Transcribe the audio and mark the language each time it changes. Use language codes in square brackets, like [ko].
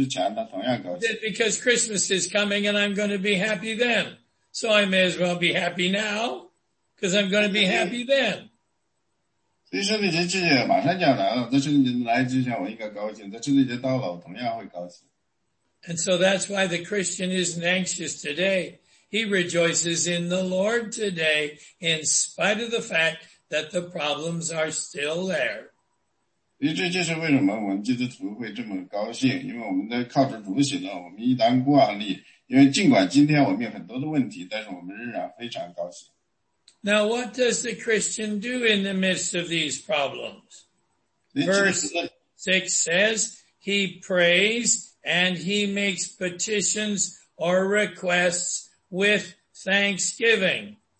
[en] Is it because Christmas is coming and I'm going to be happy then? So I may as well be happy now, because I'm going to be happy then. [zh] 所以圣诞节马上就要来了，在圣诞节来之前我应该高兴，在圣诞节到了我同样会高兴。 [en] And so that's why the Christian isn't anxious today. He rejoices in the Lord today, in spite of the fact that the problems are still there. [zh] 因为这就是为什么我们基督徒会这么高兴，因为我们在靠着主喜乐，我们一旦过安利，因为尽管今天我们有很多的问题，但是我们仍然非常高兴。 [en] Now, what does the Christian do in the midst of these problems? Verse 6 says, he prays and he makes petitions or requests with thanksgiving.